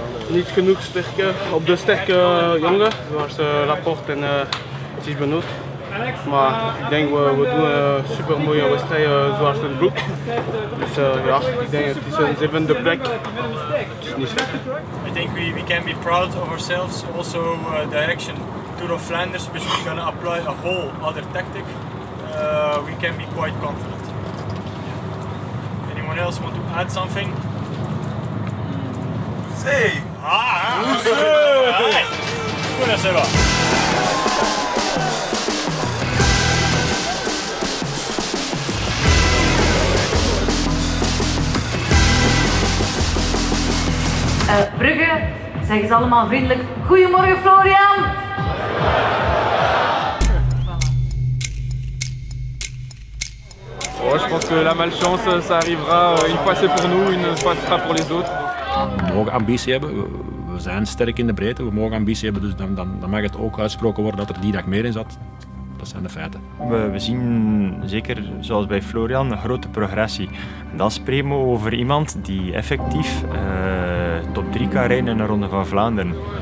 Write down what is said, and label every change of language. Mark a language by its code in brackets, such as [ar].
[nl] Niet genoeg sterke op de sterke jongen, zoals Laporte en Tijbenoot. Maar ik denk we doen een super mooie wedstrijd zoals de Broek. Dus ja, ik denk het is een zevende plek. [en] I think we can be proud of ourselves. Also direction Tour of Flanders, which we're gonna apply a whole other tactic. We can be quite confident. Anyone else want to add something? Say. [nl] Brugge, zeg eens allemaal vriendelijk. Goedemorgen, Florian. [fr] Oh, je pense que la malchance, ça arrivera. Une fois c'est pour nous, une fois ce sera pour les autres. [nl] We mogen ambitie hebben, we zijn sterk in de breedte, we mogen ambitie hebben, dus dan mag het ook uitgesproken worden dat er die dag meer in zat. Dat zijn de feiten. We zien zeker, zoals bij Florian, een grote progressie. Dan spreken we over iemand die effectief top 3 kan rijden in een Ronde van Vlaanderen.